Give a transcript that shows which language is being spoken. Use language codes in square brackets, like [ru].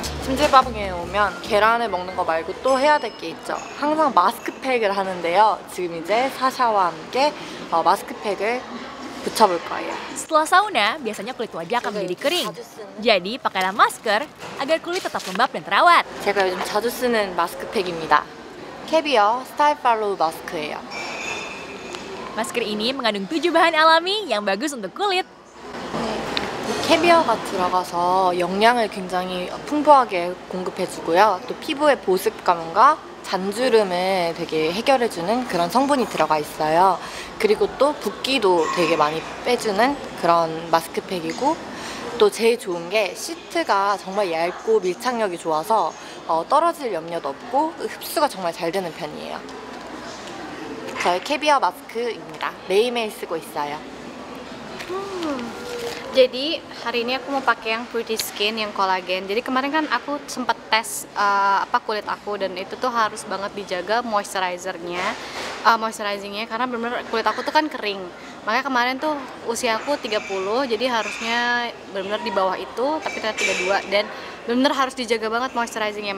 [ko] 김치밥에 오면 계란을 먹는 거 말고 또 해야 될 게 있죠. 항상 마스크팩을 하는데요. 지금 이제 사샤와 함께 마스크팩을 붙여볼 거예요. [id] Setelah sauna, biasanya kulit wajah akan menjadi kering. Jadi, pakailah masker agar kulit tetap lembab dan terawat. [ko] 제가 요즘 자주 쓰는 마스크팩입니다. 캡이요, 스타일 팔로우 마스크예요. [id] Masker ini mengandung 7 bahan alami yang bagus untuk kulit. [ko] 캐비어가 들어가서 영양을 굉장히 풍부하게 공급해주고요. 또 피부의 보습감과 잔주름을 되게 해결해주는 그런 성분이 들어가 있어요. 그리고 또 붓기도 되게 많이 빼주는 그런 마스크팩이고 또 제일 좋은 게 시트가 정말 얇고 밀착력이 좋아서 떨어질 염려도 없고 흡수가 정말 잘 되는 편이에요. 저의 캐비어 마스크입니다. 매일매일 쓰고 있어요. [id] Jadi hari ini aku mau pakai yang Pretty Skin yang kolagen. Jadi kemarin kan aku sempat tes kulit aku dan itu tuh harus banget dijaga moisturizernya, moisturizingnya karena benar-benar kulit aku tuh kan kering. Makanya kemarin tuh usia aku 30, jadi harusnya benar-benar di bawah itu, tapi ternyata 32 dan benar-benar harus dijaga banget moisturizingnya.